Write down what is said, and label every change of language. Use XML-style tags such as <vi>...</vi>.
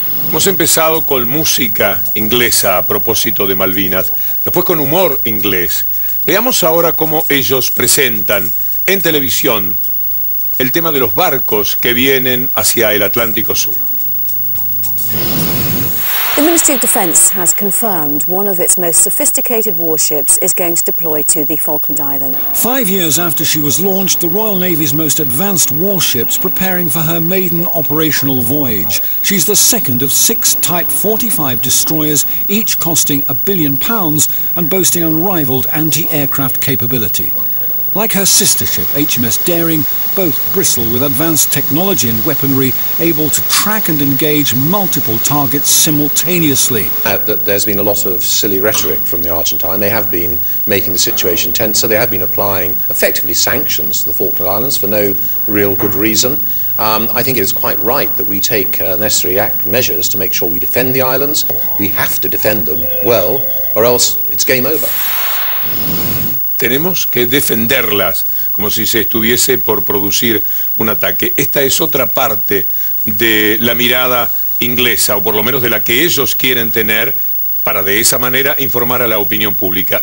<es>Hemos empezado con música inglesa a propósito de Malvinas, después con humor inglés. Veamos ahora cómo ellos presentan en televisión el tema de los barcos que vienen hacia el Atlántico Sur.</es> <en>The Ministry of Defence has confirmed one of its most sophisticated warships is going to deploy to the Falkland Islands. 5 years after she was launched, the Royal Navy's most advanced warship's preparing for her maiden operational voyage. She's the second of six Type 45 destroyers, each costing £1 billion and boasting unrivaled anti-aircraft capability. Like her sister ship, HMS Daring, both bristle with advanced technology and weaponry able to track and engage multiple targets simultaneously. There's been a lot of silly rhetoric from the Argentine. They have been making the situation tense, so they have been applying effectively sanctions to the Falkland Islands for no real good reason. I think it is quite right that we take necessary measures to make sure we defend the islands. We have to defend them well, or else it's game over.</en> <es>Tenemos que defenderlas, como si se estuviese por producir un ataque. Esta es otra parte de la mirada inglesa, o por lo menos de la que ellos quieren tener, para de esa manera informar a la opinión pública.</es>